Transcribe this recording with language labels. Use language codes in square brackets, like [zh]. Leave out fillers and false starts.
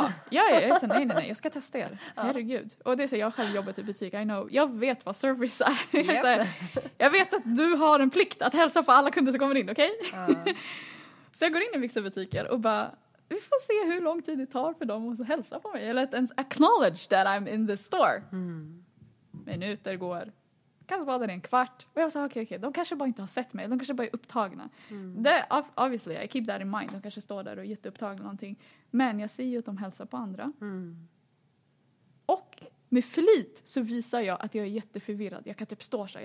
[sv] Jag är så, nej, jag ska testa er. Herregud. Och det är så, jag har själv jobbat i butik, [en] I know. [sv] Jag vet vad service är. [en] Yep. [sv] Så här, jag vet att du har en plikt att hälsa på alla kunder som kommer in, okej? [en] Okay? [sv] Så jag går in i vissa butiker och bara, vi får se hur lång tid det tar för dem att hälsa på mig. Eller att ens [en] acknowledge that I'm in the store. [sv] Minuter går. Kanske bara det är en kvart. Och jag sa, okej, de kanske bara inte har sett mig. De kanske bara är upptagna. Mm. Det, [en] obviously, I keep that in mind. [sv] De kanske står där och är jätteupptagna någonting. Men jag ser ju att de hälsar på andra. Mm. Och med flit så visar jag att jag är jätteförvirrad. Jag kan typ stå så här.